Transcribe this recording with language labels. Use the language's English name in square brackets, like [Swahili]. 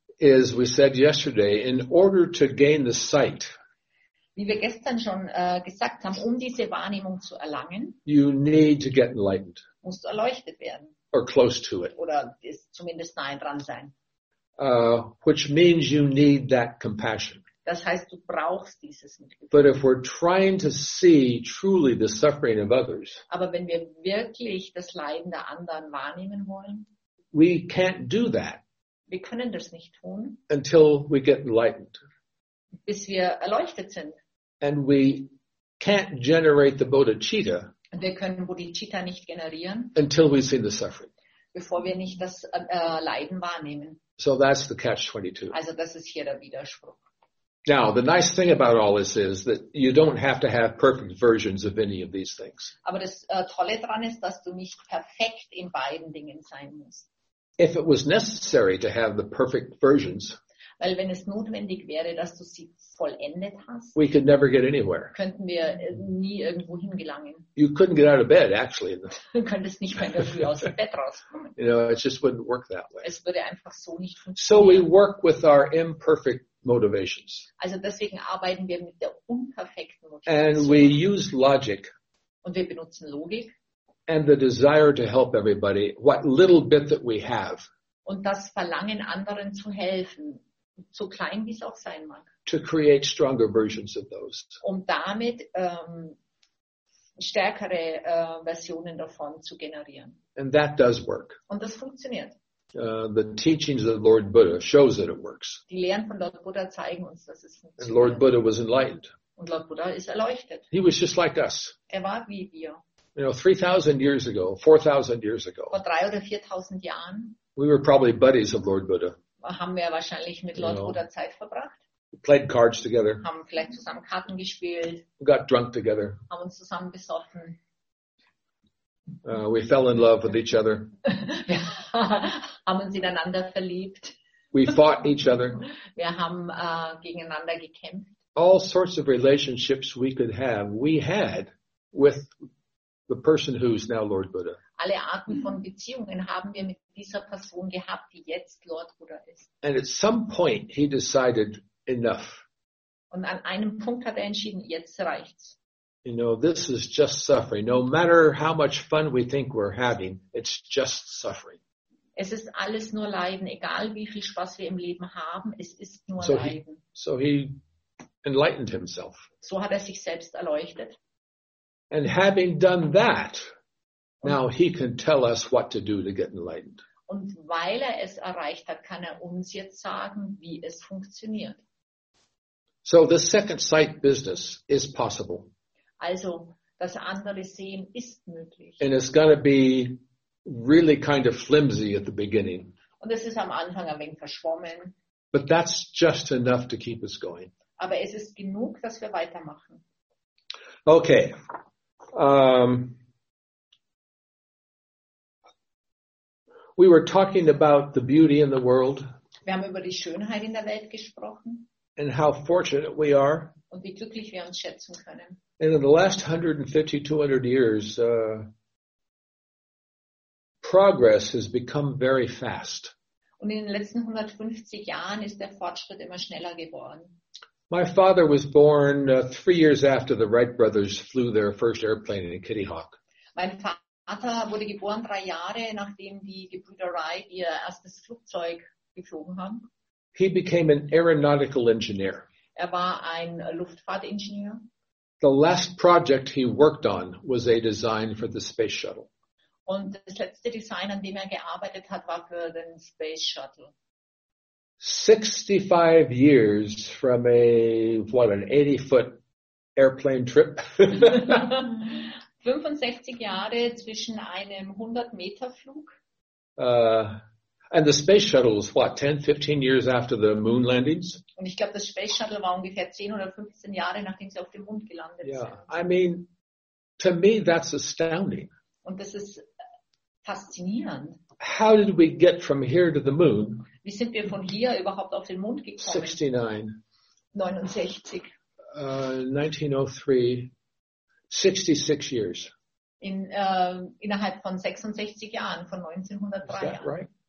[English] Is we said yesterday, in order to gain the sight, [German] wie wir gestern schon gesagt haben, um diese Wahrnehmung zu erlangen, [English] you need to get enlightened, [German] musst du erleuchtet werden, [English] or close to it, [German] oder ist zumindest nahe dran sein, [English] which means you need that compassion. [German] Das heißt, du brauchst dieses Mitgefühl. [English] But if we're trying to see truly the suffering of others, [German] aber wenn wir wirklich das Leiden der anderen wahrnehmen wollen, [English] we can't do that. [German] Wir können das nicht tun. [English] Until we get enlightened. [German] Bis wir erleuchtet sind. [English] And we can't generate the bodhicitta. [German] Und wir können bodhicitta nicht generieren. [English] Until we see the suffering. [German] Bevor wir nicht das Leiden wahrnehmen. [English] So that's the catch 22. [German] Also das ist hier der Widerspruch. [English] Now the nice thing about all this is that you don't have to have perfect versions of any of these things. [German] Aber das Tolle dran ist, dass du nicht perfekt in beiden Dingen sein musst. [English] If it was necessary to have the perfect versions, [German] weil wenn es notwendig wäre, dass du sie vollendet hast, [English] we could never get anywhere. [German] Könnten wir nie irgendwo hingelangen. [English] You couldn't get out of bed, actually. [German] Du könntest nicht mehr früh aus dem Bett rauskommen. [English] You know, it just wouldn't work that way. [German] Es würde einfach so nicht funktionieren. [English] So we work with our imperfect motivations. [German] Also deswegen arbeiten wir mit der unperfekten Motivation. [English] And we use logic. [German] Und wir benutzen Logik. [English] And the desire to help everybody, what little bit that we have. [German] und das Verlangen, anderen zu helfen, so klein wie es auch sein mag. [English] To create stronger versions of those. [German] Um damit stärkere Versionen davon zu generieren. [English] And that does work. [German] Und das funktioniert. [English] The teachings of Lord Buddha shows that it works. [German] Die Lehren von Lord Buddha zeigen uns, dass es funktioniert. [English] And Lord Buddha was enlightened. [German] Und Lord Buddha ist erleuchtet. [English] He was just like us. [German] Er war wie wir. [English] You know, 3,000 years ago, 4,000 years ago. [German] Vor 3 oder 4,000 Jahren. [English] We were probably buddies of Lord Buddha. [German] Haben wir wahrscheinlich mit Lord Buddha Zeit verbracht. [English] We played cards together. [German] Haben vielleicht zusammen Karten gespielt. [English] We got drunk together. [German] Haben uns zusammen besoffen. [English] We fell in love with each other. [German] Haben uns ineinander verliebt. [English] We fought each other. [German] Wir haben gegeneinander gekämpft. [English] All sorts of relationships we could have, we had with the person who is now Lord Buddha. [German] Alle Arten von Beziehungen haben wir mit dieser Person gehabt, die jetzt Lord Buddha ist. [English] And at some point he decided enough. [German] Und an einem Punkt hat er entschieden, jetzt reicht's. [English] You know, this is just suffering. No matter how much fun we think we're having, it's just suffering. [German] Es ist alles nur Leiden, egal wie viel Spaß wir im Leben haben, es ist nur so Leiden. [English] So he enlightened himself. [German] So hat er sich selbst erleuchtet. [English] And having done that, now he can tell us what to do to get enlightened. [German] Und weil er es erreicht hat, kann er uns jetzt sagen, wie es funktioniert. [English] So the second sight business is possible. [German] Also, das andere Sehen ist möglich. [English] And it's going to be really kind of flimsy at the beginning. [German] Und es ist am Anfang ein wenig verschwommen. [English] But that's just enough to keep us going. [German] Aber es ist genug, dass wir weitermachen. [English] Okay. We were talking about the beauty in the world. [German] Wir haben über die Schönheit in der Welt gesprochen. [English] And how fortunate we are. [German] Und wie glücklich wir uns schätzen können. [English] And in the last 150, 200 years, progress has become very fast. [German] Und in den letzten 150 Jahren ist der Fortschritt immer schneller geworden. [English] My father was born 3 years after the Wright brothers flew their first airplane in Kitty Hawk. [German] Mein Vater wurde geboren 3 Jahre nachdem die Gebrüder Wright ihr erstes Flugzeug geflogen haben. [English] He became an aeronautical engineer. [German] Er war ein Luftfahrtingenieur. [English] The last project he worked on was a design for the space shuttle. [German] Und das letzte Design, an dem er gearbeitet hat, war für den Space Shuttle. [English] 65 years from an 80-foot airplane trip. [German] 65 Jahre zwischen einem 100-Meter-Flug. [English] And the space shuttle was what, 10, 15 years after the moon landings? [German] Und ich glaube, das Space Shuttle war ungefähr 10 oder 15 Jahre, nachdem sie auf dem Mond gelandet sind. [English] Yeah, I mean, to me, that's astounding. [German] Und das ist faszinierend. [English] How did we get from here to the moon? [German] Wie sind wir von hier überhaupt auf den Mond gekommen? [English] 69. 1903. 66 years. [German] Innerhalb von 66 Jahren, von 1903. [English] Is that right?